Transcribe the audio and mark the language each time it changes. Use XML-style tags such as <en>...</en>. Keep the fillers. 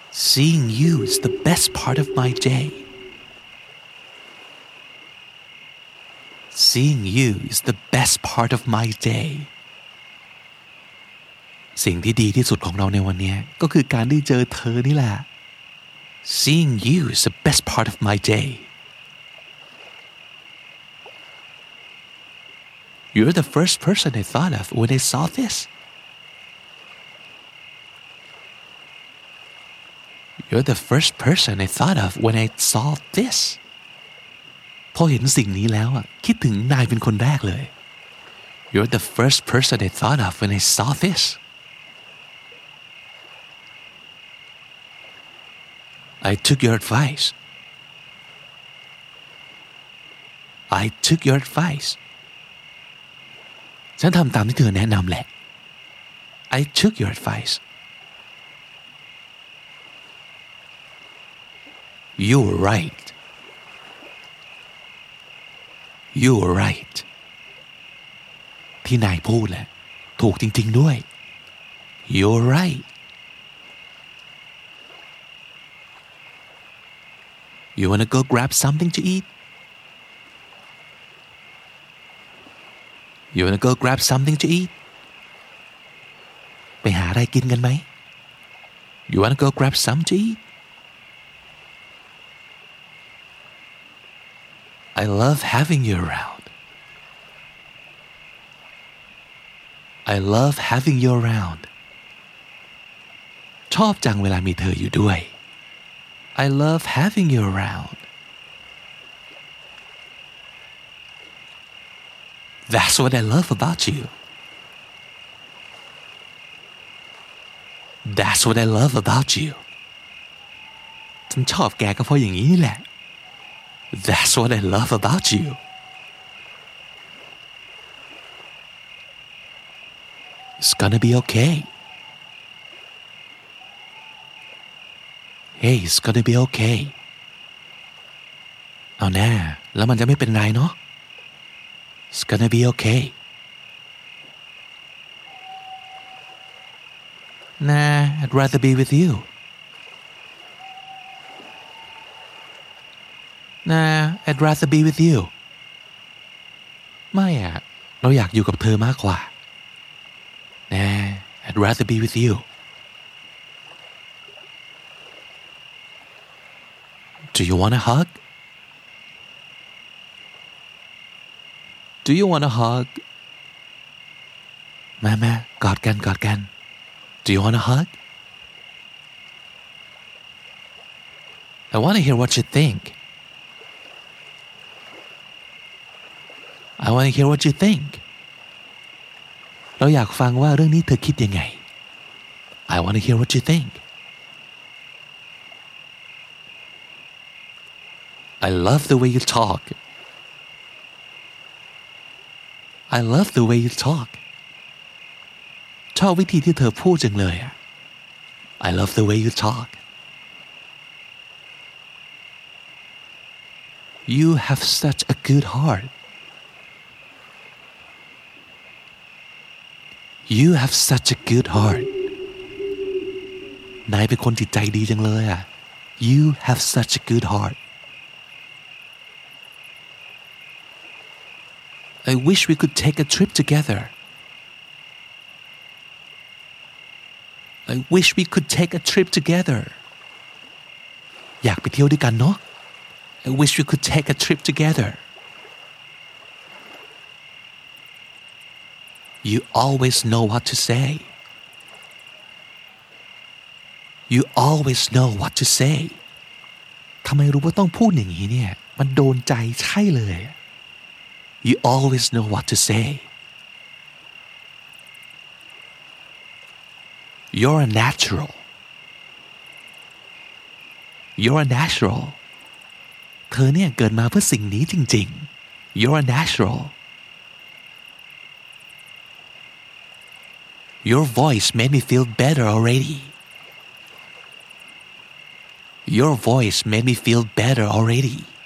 <en>Seeing you is the best part of my day Seeing you is the best part of my day</en> <th>สิ่งที่ดีที่สุดของเราในวันเนี้ยก็คือการได้เจอเธอนี่แหละ</th> <en>Seeing you is the best part of my day You're the first person I thought of when I saw this. You're the first person I thought of when I saw this.</en> <th>พอเห็นสิ่งนี้แล้วอ่ะคิดถึงนายเป็นคนแรกเลย</th> <en>You're the first person I thought of when I saw this. I took your advice. I took your advice.</en> <th>ฉันทำตามที่เธอแนะนำแหละ</th> <en>I took your advice You were right You were right</en> <th>ที่นายพูดแหละ ถูกจริง ๆ ด้วย</th> <en>You're right You wanna go grab something to eat? You wanna go grab something to eat?</en> <th>ไปหาอะไรกินกันไหม</th> <en>You wanna go grab some to eat? I love having you around. I love having you around.</en> <th>ชอบจังเวลามีเธออยู่ด้วย</th> <en>I love having you around. That's what I love about you. That's what I love about you.</en> <th>ฉันชอบแกก็เพราะอย่างนี้นี่แหละ</th> <en>That's what I love about you. It's gonna be okay. Hey, it's gonna be okay.</en> <th>เอาแน่แล้วมันจะไม่เป็นไรเนาะ</th> <en>It's gonna be okay. Nah, I'd rather be with you. Nah, I'd rather be with you.</en> <th>ไม่อะเราอยากอยู่กับเธอมากกว่า</th> <en>Nah, I'd rather be with you. Do you want a hug? Do you want a hug?</en> <th>มามากอดกันกอดกัน</th> <en>Do you want a hug? I want to hear what you think. I want to hear what you think.</en> <th>เราอยากฟังว่าเรื่องนี้เธอคิดยังไง</th> <en>I want to hear what you think. I love the way you talk. I love the way you talk</en> <th>ชอบวิธีที่เธอพูดจังเลยอะ</th> <en>I love the way you talk You have such a good heart You have such a good heart</en> <th>นายเป็นคนจิตใจดีจังเลยอะ</th> <en>You have such a good heart I wish we could take a trip together. I wish we could take a trip together.</en> <th>อยากไปเที่ยวด้วยกันเนาะ</th> <en>I wish we could take a trip together. You always know what to say. You always know what to say.</en> <th>ทำไมรู้ว่าต้องพูดอย่างนี้เนี่ย มันโดนใจใช่เลย</th> <en>You always know what to say. You're a natural. You're a natural.</en> <th>เธอเนี่ยเกิดมาเพื่อสิ่งนี้จริงๆ</th> <en>You're a natural. Your voice made me feel better already. Your voice made me feel better already.</en>